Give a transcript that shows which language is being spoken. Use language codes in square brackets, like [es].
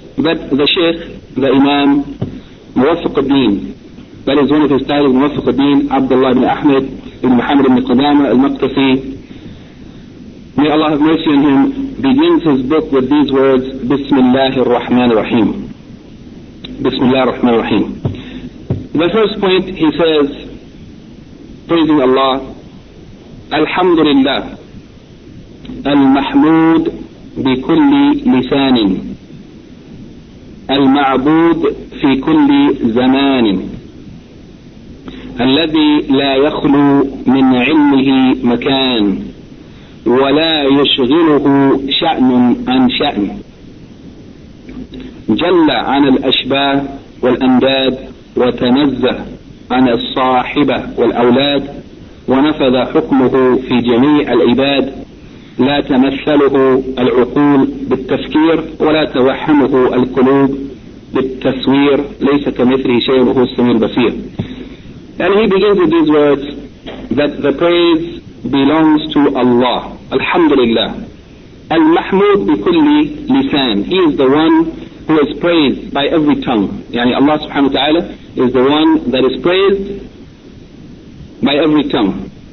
[en] That the Shaykh, the Imam Muwaffiq al-Din, that is one of his titles, Muwaffiq al-Din Abdullah ibn Ahmed ibn Muhammad ibn Qudama al-Maqdisi, may Allah have mercy on him, begins his book with these words, Bismillah ar-Rahman ar-Rahim. Bismillah ar-Rahman ar-Rahim. The first point he says, praising Allah, [ar] Alhamdulillah, Al-Mahmud bi kulli lisanin, Al-Ma'bud fi kulli zamanin, Alladhi la yakhlu min ilmihi makan, ولا يشغله شأن عن شأن جل عن الأشباه والأنداد وتنزه عن الصاحبة والأولاد ونفذ حكمه في جميع العباد لا تمثله العقول بالتفكير ولا توهمه القلوب بالتصوير ليس كمثله شيء وهو السميع البصير. [en] And he begins with these words that the praise belongs to Allah. Alhamdulillah. [ar] Al-Mahmud bi kulli lisan. [en] He is the one who is praised by every tongue. Yani Allah subhanahu wa ta'ala is the one that is praised by every tongue.